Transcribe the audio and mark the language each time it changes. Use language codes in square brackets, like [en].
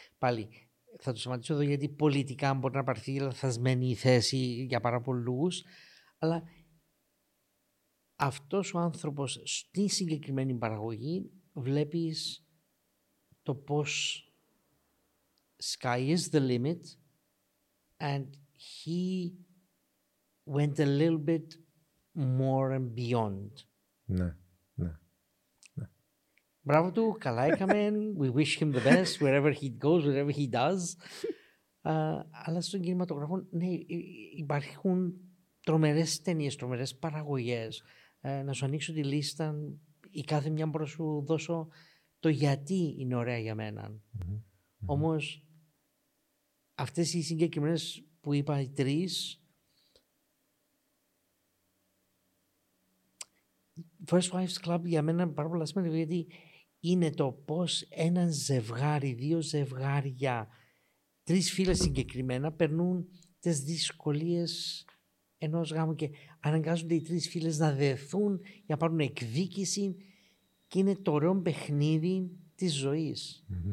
[el] Πάλι, θα το σταματήσω εδώ γιατί πολιτικά μπορεί να πάρθει λαθασμένη θέση για πάρα πολλούς, αλλά αυτός ο άνθρωπος στη συγκεκριμένη παραγωγή βλέπεις το πώς [en] sky is the limit and he went a little bit more and beyond. [el] Ναι, ναι. Μπράβο του, καλά έκαμε. [en] We wish him the best wherever he goes, wherever he does. [el] Αλλά στον κινηματογράφο, ναι, υπάρχουν τρομερές ταινίες, τρομερές παραγωγές. Να σου ανοίξω τη λίστα ή κάθε μια μπορώ να σου δώσω το γιατί είναι ωραία για μένα. Όμως, αυτές οι συγκεκριμένες που είπα, οι τρεις, First Wives Club για μένα είναι πάρα πολύ σημαντικό γιατί είναι το πώς ένα ζευγάρι, δύο ζευγάρια, τρεις φίλες συγκεκριμένα περνούν τις δυσκολίες ενός γάμου και αναγκάζονται οι τρεις φίλες να δεθούν για να πάρουν εκδίκηση και είναι το ωραίο παιχνίδι της ζωής.